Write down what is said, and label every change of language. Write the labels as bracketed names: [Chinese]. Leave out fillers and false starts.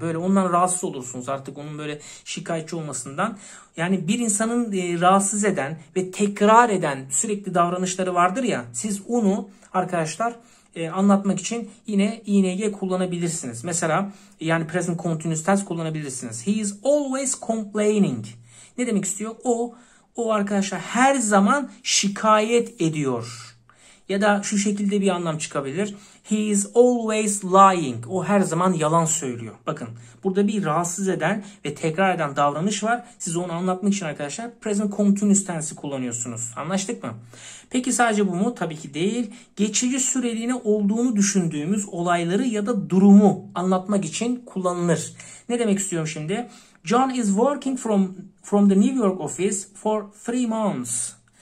[Turkish] Böyle ondan rahatsız olursunuz artık onun böyle şikayetçi olmasından. Yani bir insanın rahatsız eden ve tekrar eden sürekli davranışları vardır ya. Siz onu arkadaşlar anlatmak için yine ING kullanabilirsiniz. Mesela yani present continuous tense kullanabilirsiniz. [English] He is always complaining. [Turkish] Ne demek istiyor? O arkadaşlar her zaman şikayet ediyor. Ya da şu şekilde bir anlam çıkabilir. [English] He is always lying. [Turkish] O her zaman yalan söylüyor. Bakın burada bir rahatsız eden ve tekrar eden davranış var. Siz onu anlatmak için arkadaşlar present continuous tense kullanıyorsunuz. Anlaştık mı? Peki sadece bu mu? Tabii ki değil. Geçici süreliğine olduğunu düşündüğümüz olayları ya da durumu anlatmak için kullanılır. Ne demek istiyorum şimdi? [English] John is working from the New York office for 3 months.